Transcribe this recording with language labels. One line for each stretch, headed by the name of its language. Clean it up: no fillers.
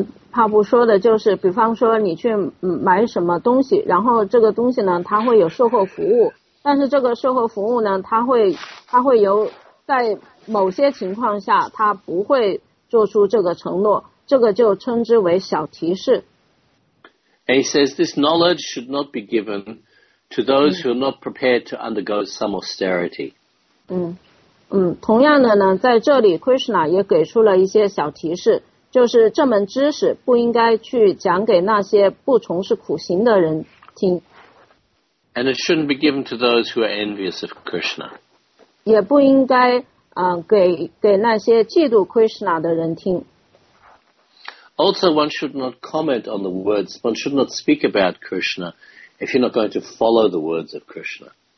Chinese: 帕布说的就是，比方说你去买什么东西，然后这个东西呢，它会有售后服务，但是这个售后服务呢，它会有在某些情况下他不会做出这个承诺，这个就称之为小提示。
English: And he says this knowledge should not be given to those who are not prepared to undergo some austerity.
Chinese: 同样的呢，在这里 Krishna 也给出了一些小提示，就是这门知识不应该去讲给那些不从事苦行的人听。
English: And it shouldn't be given to those who are envious of Krishna.
Chinese: 也不应该给那些嫉妒 Krishna 的人听。
English: Also, one should not comment on the words. One should not speak about Krishna if you're not going to follow the words of Krishna.